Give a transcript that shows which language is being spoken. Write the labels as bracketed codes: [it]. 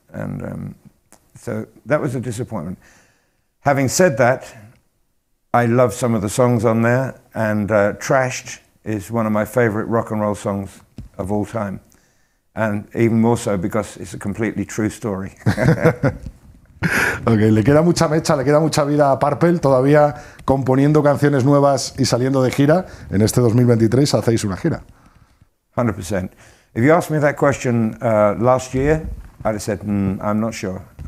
[en] And so that was a disappointment. Having said that, I love some of the songs on there, and Trashed is one of my favorite rock and roll songs of all time. And even more so because it's a completely true story. [es] Okay, le queda mucha mecha, le queda mucha vida a Purple, todavía componiendo canciones nuevas y saliendo de gira. En este 2023 hacéis una gira. [en] 100%. If you asked me that question last year, I'd have said, I'm not sure.